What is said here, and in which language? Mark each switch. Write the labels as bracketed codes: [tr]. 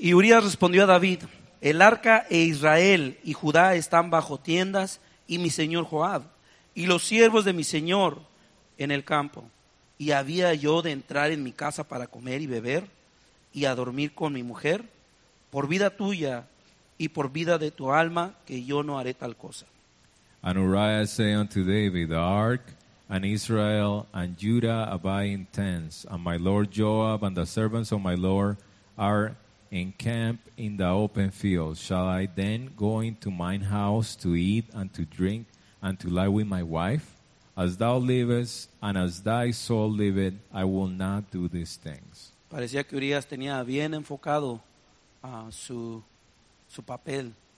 [es] Y Urías respondió a David, el arca e Israel y Judá están bajo tiendas y mi señor Joab y los siervos de mi señor en el campo. ¿Y había yo de entrar en mi casa para comer y beber y a dormir con mi mujer? Por vida tuya y por vida de tu alma que yo no haré tal cosa. [en] And Uriah said unto David, the ark and Israel and Judah abide in tents, and my lord Joab and the servants of my lord are in camp in the open fields. Shall I then go into mine house to eat and to drink and to lie with my wife? As thou livest and as thy soul liveth, I will not do these things. [es] Parecía que Urías tenía bien enfocado su papel.